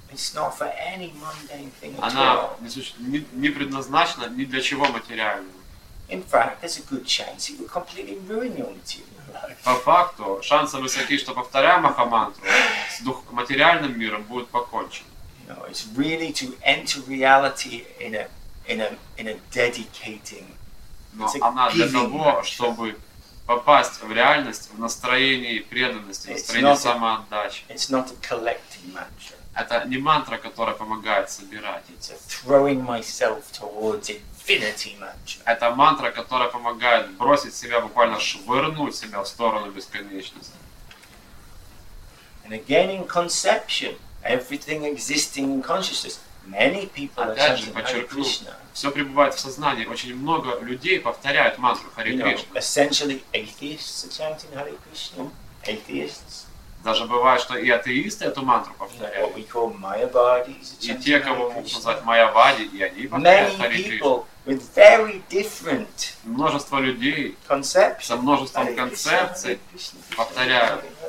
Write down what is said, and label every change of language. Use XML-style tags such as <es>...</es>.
<en>It's not for any mundane thing.</en> <ru>Она не предназначена ни для чего материального.</ru> <en>In fact, there's a good chance it will completely ruin your material.</en> <ru>По факту, шансы высоки, что повторяя Махамантру, с материальным миром будет покончено.</ru> <en>You know, it's really to enter reality in a dedicating.</en> <ru>Но она для того, чтобы попасть в реальность в настроении преданности, в настроении самоотдачи.</ru> <en>It's not a collecting mantra.</en> <ru>Это не мантра, которая помогает собирать.</ru> <en>It's a throwing myself towards it.</en> <ru>Это мантра, которая помогает бросить себя, буквально швырнуть себя в сторону бесконечности.</ru> <en>And again in conception, everything existing in consciousness, many people are chanting Hare Krishna.</en> <ru>Опять же, подчеркну, все пребывает в сознании. Очень много людей повторяют мантру Hare Krishna.</ru> <en>You know, essentially atheists are chanting Hare Krishna. Atheists.</en> <ru>Даже бывает, что и атеисты эту мантру повторяют. И те, кого могут назвать майявади, и они повторяют Хари Кришну. Множество людей со множеством концепций повторяют.</ru>